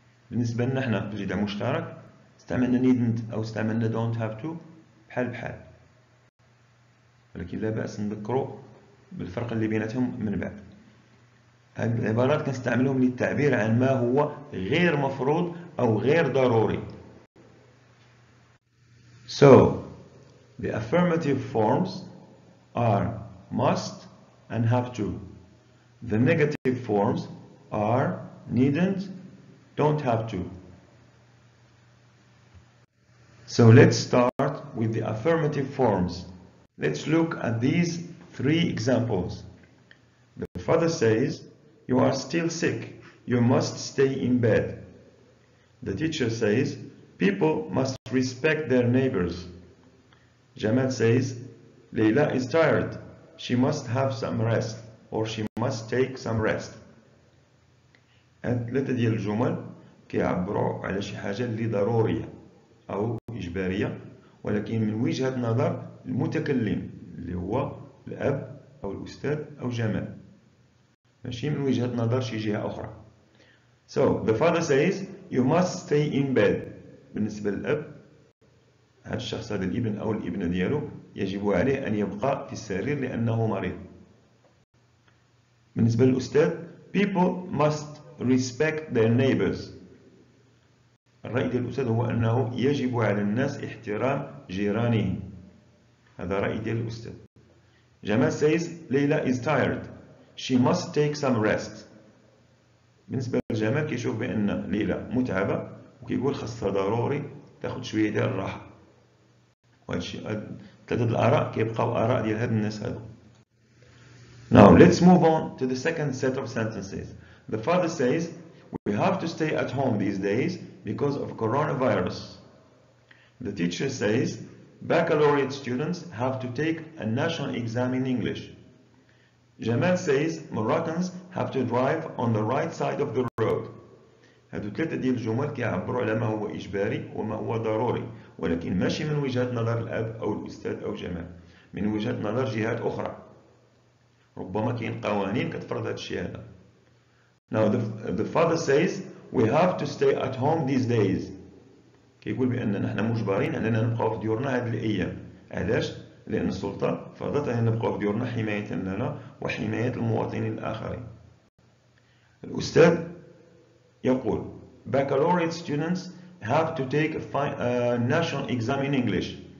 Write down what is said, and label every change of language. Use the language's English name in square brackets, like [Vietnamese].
[Arabic] بالنسبة لنا احنا في الجدع مشترك استعملنا needn't أو استعملنا don't have to بحال بحال، ولكن لا بأس نذكروا بالفرق اللي بيناتهم من بعد. هذه العبارات كنستعملهم للتعبير عن ما هو غير مفروض أو غير ضروري. [English] So, the affirmative forms are must and have to. The negative forms are needn't, don't have to. So, let's start with the affirmative forms. Let's look at these three examples. The father says, "You are still sick. You must stay in bed." The teacher says, "People must respect their neighbors." Jamal says, "Leila is tired. She must have some rest, or she must take some rest." [Arabic] الثلاثة ديال الجمل كيعبروا على شي حاجة اللي ضرورية أو إجبارية، ولكن من وجهة نظر المتكلم اللي هو الأب أو الأستاذ أو جمال، ماشي من وجهة نظر شي جهة أخرى. [English] So the father says you must stay in bed. [Arabic] بالنسبة للأب، هذا الشخص، هذا الابن أو الابنة دياله، يجب عليه أن يبقى في السرير لأنه مريض. بالنسبة للأستاذ، [English] people must respect their neighbors. [Arabic] الرأي ديال الأستاذ هو أنه يجب على الناس احترام جيرانهم، هذا رأي ديال الأستاذ. [English] جمال says Leila is tired, she must take some rest. [Arabic] بالنسبة لجمال كيشوف بأن ليلى متعبة وكيقول خاصها ضروري تاخد شوية ديال الراحة، وهادشي تلاتة ديال الآراء كيبقاو آراء ديال هاد الناس هادو. [English] Now let's move on to the second set of sentences. The father says we have to stay at home these days because of coronavirus. The teacher says baccalaureate students have to take a national exam in English. Jamal says Moroccans have to drive on the right side of the road. [Arabic] هادو ثلاثة ديال الجمل كيعبروا على ما هو إجباري وما هو ضروري، ولكن ماشي من وجهة نظر الأب أو الأستاذ أو جمال، من وجهة نظر جهات أخرى. ربما كاين قوانين كتفرض هاد الشيء هذا. [English] Now the father says we have to stay at home these days. [Arabic] كيقول بأننا نحن مجبرين أننا نبقاو في ديورنا هذه الأيام. علاش؟ لأن السلطة فرضت أننا نبقاو في ديورنا حماية لنا وحماية المواطنين الآخرين. الأستاذ يقول [English] baccalaureate students have to take a national exam in English.